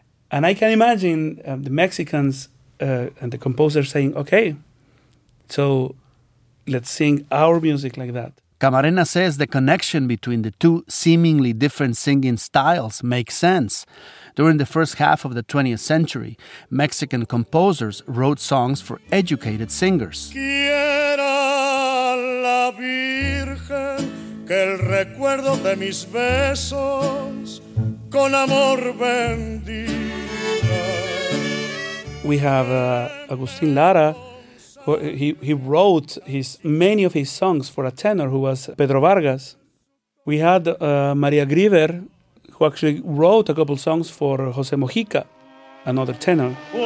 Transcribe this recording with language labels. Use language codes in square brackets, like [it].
[en] And I can imagine the Mexicans and the composers saying, okay, so let's sing our music like that. Camarena says the connection between the two seemingly different singing styles makes sense. During the first half of the 20th century, Mexican composers wrote songs for educated singers. [es] Quiera la Virgen que el recuerdo de mis besos con amor bendiga. [en] We have Agustín Lara. He wrote many of his songs for a tenor who was Pedro Vargas. We had Maria Griver, who actually wrote a couple songs for José Mojica, another tenor.